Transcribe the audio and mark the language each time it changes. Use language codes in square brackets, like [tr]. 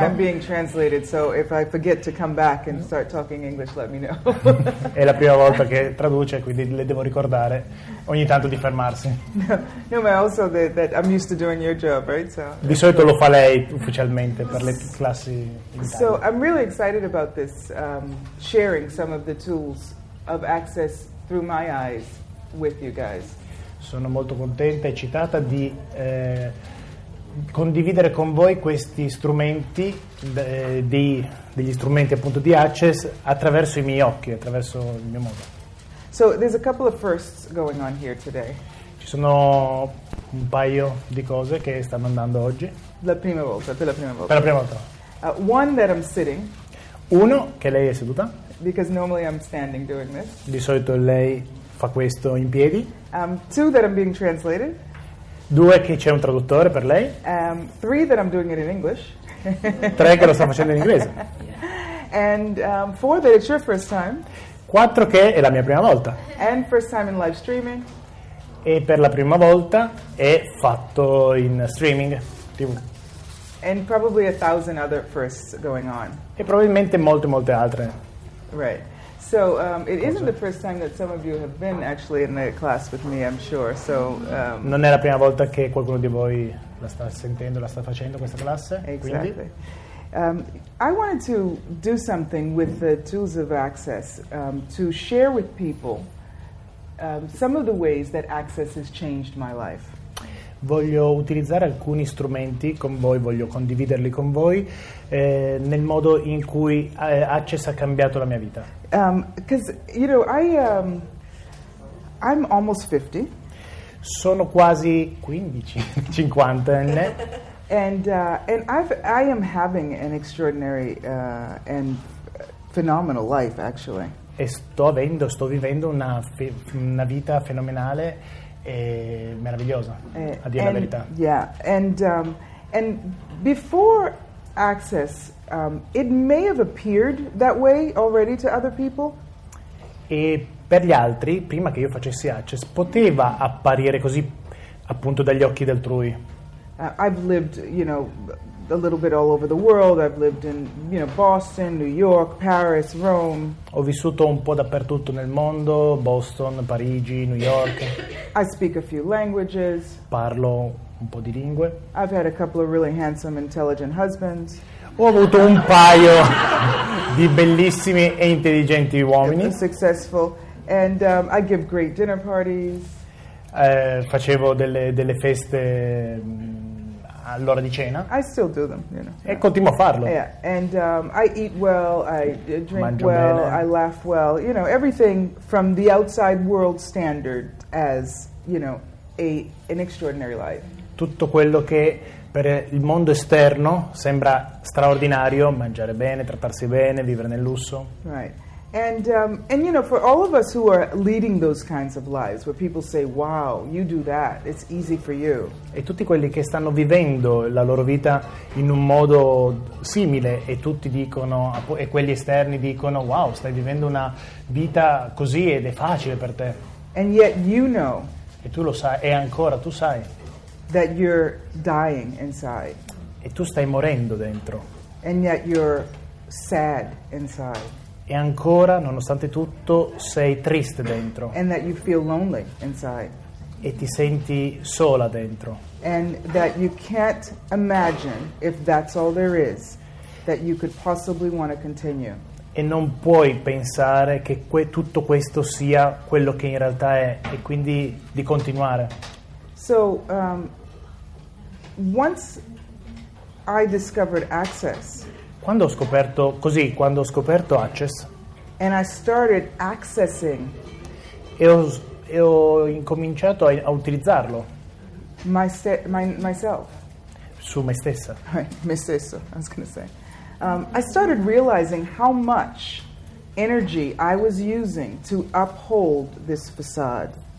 [en] It's my first time being translated, so if I forget to come back and start talking English, let me know. [it] È la prima volta che traduce, quindi le devo ricordare ogni tanto di fermarsi. [en] No, ma also that I'm used to doing your job, right? So. [it] Di solito lo fa lei ufficialmente per le classi. [en] So I'm really excited about this sharing some of the tools of Access through my eyes with you guys. [it] Sono molto contenta e eccitata di condividere con voi questi strumenti, degli strumenti appunto di Access, attraverso i miei occhi, attraverso il mio modo. [en] So there's a couple of firsts going on here today. [it] Ci sono un paio di cose che stanno andando oggi. Per la prima volta. [en] One that I'm sitting. [it] Uno che lei è seduta. [en] Because normally I'm standing doing this. [it] Di solito lei fa questo in piedi. [en] Two that I'm being translated. [it] Due che c'è un traduttore per lei. [en] Three that I'm doing it in English. [it] Tre che lo sto facendo in inglese. [en] And four that it's your first time. [it] Quattro che è la mia prima volta. [en] And first time in live streaming. [it] E per la prima volta è fatto in streaming TV. [en] And probably a thousand other firsts going on. [it] E probabilmente molte molte altre. [en] Right. So it isn't the first time that some of you have been actually in the class with me, I'm sure. So [it] non è la prima volta che qualcuno di voi la sta sentendo, la sta facendo questa classe. [en] Exactly. [it] Quindi. [en] I wanted to do something with the tools of Access to share with people some of the ways that Access has changed my life. [it] Voglio utilizzare alcuni strumenti con voi, voglio condividerli con voi nel modo in cui Access ha cambiato la mia vita. [en] Because you know, I'm almost 50. [it] Sono quasi 50enne. [en] And I am having an extraordinary and phenomenal life, actually. [it] E sto vivendo una vita fenomenale e meravigliosa, a dire la verità. [en] Yeah, and before Access, it may have appeared that way already to other people. [it] E per gli altri, prima che io facessi Access, poteva apparire così appunto dagli occhi d'altrui. [en] I've lived, you know, a little bit all over the world. I've lived in, you know, Boston, New York, Paris, Rome. [it] Ho vissuto un po' dappertutto nel mondo, Boston, Parigi, New York. [en] I speak a few languages. [it] Parlo un po' di lingue. [en] I've had a couple of really handsome, intelligent husbands. [it] Ho avuto un paio di bellissimi e intelligenti uomini. [en] It's successful. And I give great dinner parties. [it] Facevo delle feste all'ora di cena. [en] I still do them, you know. [it] E continuo a farlo. [en] Yeah. And I eat well, I drink [it] Mangio [en] well, [it] bene. [en] I laugh well, you know, everything from the outside world standard as, you know, an extraordinary life. [it] Tutto quello che per il mondo esterno sembra straordinario, mangiare bene, trattarsi bene, vivere nel lusso. [en] Right. And you know, for all of us who are leading those kinds of lives, where people say, "Wow, you do that. It's easy for you." [it] E tutti quelli che stanno vivendo la loro vita in un modo simile, e tutti dicono, e quelli esterni dicono, "Wow, stai vivendo una vita così ed è facile per te." [en] And yet you know. [it] E tu lo sai, e ancora tu sai. [en] That you're dying inside. [it] E tu stai morendo dentro. [en] And yet you're sad inside. [it] E ancora, nonostante tutto, sei triste dentro. [en] And that you feel lonely inside. [it] E ti senti sola dentro. [en] And that you can't imagine, if that's all there is, that you could possibly want to continue. [it] E non puoi pensare che tutto questo sia quello che in realtà è, e quindi di continuare. [en] So, once I discovered Access. [it] Quando ho scoperto così, quando ho scoperto Access. [en] And I started accessing. [it] E ho incominciato a utilizzarlo. [en] Myself. [it] Su me stessa. Me stesso, [en] I was going to say. I started realizing how much energy I was using to uphold this facade.